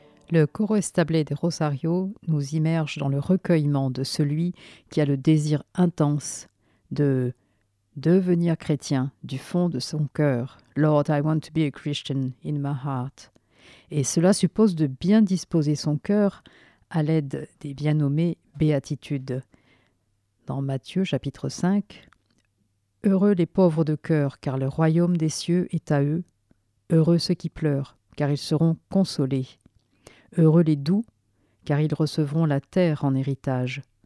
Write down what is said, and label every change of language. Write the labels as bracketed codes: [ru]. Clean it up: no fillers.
[fr] Le coro estable des Rosario nous immerge dans le recueillement de celui qui a le désir intense de devenir chrétien du fond de son cœur. [en] Lord, I want to be a Christian in my heart. [fr] Et cela suppose de bien disposer son cœur à l'aide des bien nommées béatitudes. Dans Matthieu chapitre 5, heureux les pauvres de cœur, car le royaume des cieux est à eux. Heureux ceux qui pleurent, car ils seront consolés. Heureux les doux, car ils recevront la terre en héritage.